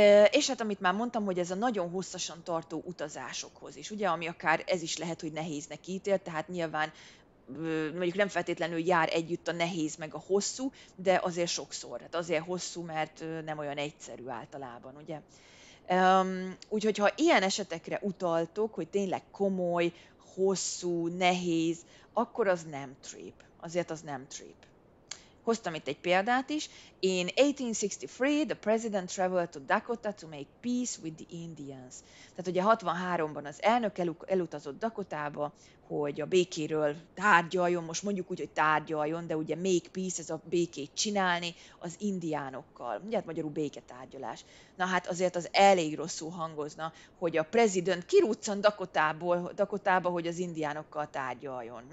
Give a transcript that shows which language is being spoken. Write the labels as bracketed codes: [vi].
[hu] És hát amit már mondtam, hogy ez a nagyon hosszasan tartó utazásokhoz is, ugye, ami akár ez is lehet, hogy nehéznek ítél, tehát nyilván mondjuk nem feltétlenül jár együtt a nehéz meg a hosszú, de azért sokszor, hát azért hosszú, mert nem olyan egyszerű általában, ugye. Úgyhogy ha ilyen esetekre utaltok, hogy tényleg komoly, hosszú, nehéz, akkor az nem trip, azért az nem trip. Hoztam itt egy példát is. [en] In 1863, the president traveled to Dakota to make peace with the Indians. [hu] Tehát ugye 63-ban az elnök elutazott Dakotába, hogy a békéről tárgyaljon, most mondjuk úgy, hogy tárgyaljon, de ugye [en] make peace, [hu] ez a békét csinálni az indiánokkal. Ugye hát magyarul béketárgyalás. Na hát azért az elég rosszul hangozna, hogy a president kiruccan Dakotába, hogy az indiánokkal tárgyaljon.